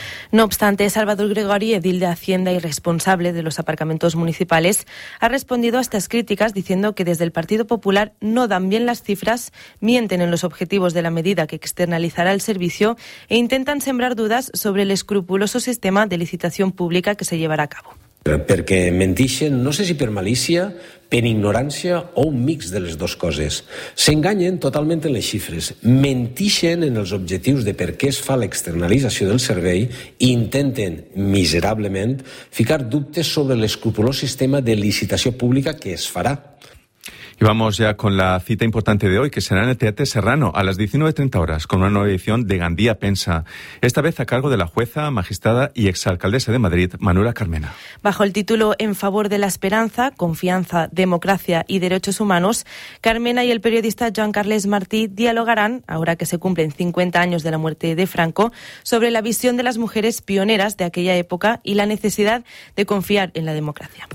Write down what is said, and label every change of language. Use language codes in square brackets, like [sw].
[es] No obstante, Salvador Gregori, edil de Hacienda y responsable de los aparcamientos municipales, ha respondido a estas críticas diciendo que desde el Partido Popular no dan bien las cifras, mienten en los objetivos de la medida que externalizará el servicio e intentan sembrar dudas sobre el escrupuloso sistema de licitación pública que se llevará a cabo. [ca] Perquè menteixen, no sé si per malícia, per ignorància o un mix de les dues coses. S'enganyen totalment en les xifres, menteixen en els objectius de per què es fa l'externalització del servei i intenten, miserablement, ficar dubtes sobre l'escrupulós sistema de licitació pública que es farà. [es] Y vamos ya con la cita importante de hoy, que será en el Teatro Serrano, a las 19:30 horas, con una nueva edición de Gandía Pensa. Esta vez a cargo de la jueza, magistrada y exalcaldesa de Madrid, Manuela Carmena. Bajo el título En favor de la esperanza, confianza, democracia y derechos humanos, Carmena y el periodista Joan Carles Martí dialogarán, ahora que se cumplen 50 años de la muerte de Franco, sobre la visión de las mujeres pioneras de aquella época y la necesidad de confiar en la democracia.